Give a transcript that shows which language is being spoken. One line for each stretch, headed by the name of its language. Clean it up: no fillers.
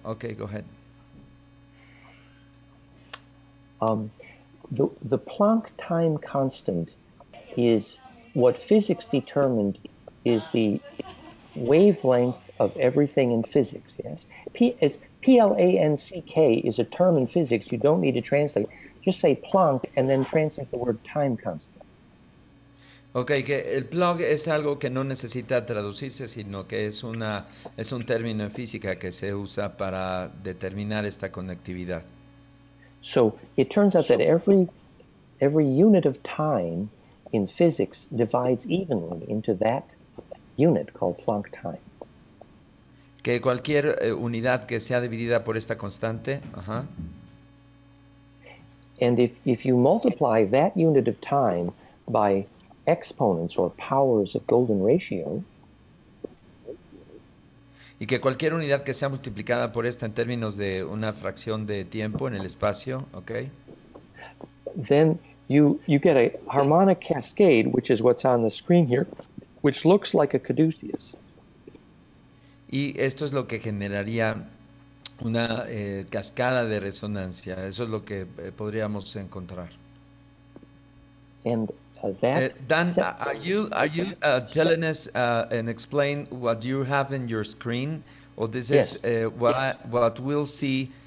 English: Okay, go ahead. The Planck time constant is what physics determined is the wavelength of everything in physics, yes? It's P-L-A-N-C-K is a term in physics you don't need to translate. Just say Planck and then translate the word time constant.
Spanish: Ok, que el plug es algo que no necesita traducirse, sino que es un término en física que se usa para determinar esta conectividad.
English: So it turns out that every unit of time in physics divides evenly into that unit called Planck time.
Spanish: Que cualquier unidad que sea dividida por esta constante, ajá.
English: And if you multiply that unit of time by exponents or powers of golden ratio,
Spanish: y que cualquier unidad que sea multiplicada por esta en términos de una fracción de tiempo en el espacio, okay,
English: then you get a harmonic cascade, which is what's on the screen here, which looks like a caduceus.
Spanish: Y esto es lo que generaría una cascada de resonancia. Eso es lo que podríamos encontrar.
English: And Dan, are you telling us and explain what you have in your screen, or this is what we'll see?